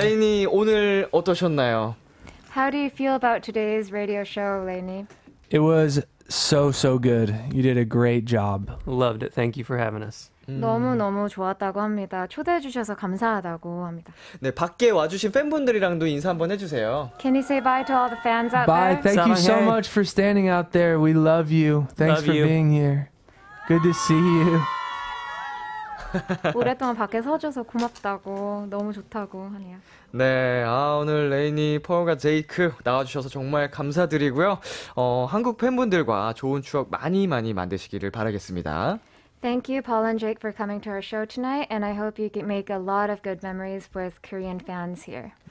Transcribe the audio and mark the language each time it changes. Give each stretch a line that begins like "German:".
Korean: 레이니, 오늘 어떠셨나요?
English: How do you feel about today's radio show, 레이니? It was so, so good. You did a great job. Loved it. Thank you for having us.
Korean: 너무너무 좋았다고 합니다. 초대해 주셔서 감사하다고 합니다. 네, 밖에 와주신 팬분들이랑도 인사 한번 해주세요.
English: Can you say bye to all the fans out bye. There? Bye. Thank you so much for standing out there. We love you. Thanks love for you. Being here. Good to see you.
Korean: 오랫동안 밖에 서줘서 고맙다고 너무 좋다고 하네요. 네, 아 오늘 레이니, 펄과 제이크 나와주셔서 정말 감사드리고요. 한국 팬분들과 좋은 추억 많이 많이 만드시기를 바라겠습니다.
English: Thank you, Paul and Jake, for coming to our show tonight, and I hope you can make a lot of good memories with Korean fans here.